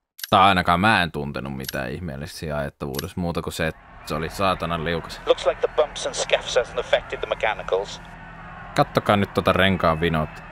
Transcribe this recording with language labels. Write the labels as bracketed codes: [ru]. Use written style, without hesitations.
[fi] Tai ainakaan mä en tuntenut mitään ihmeellisiä ajettavuudessa, muuta kuin se, että se oli saatanan liukas. [en] Looks like the bumps and scuffs hasn't affected the mechanicals. [fi] Kattokaa nyt tota renkaan vinot.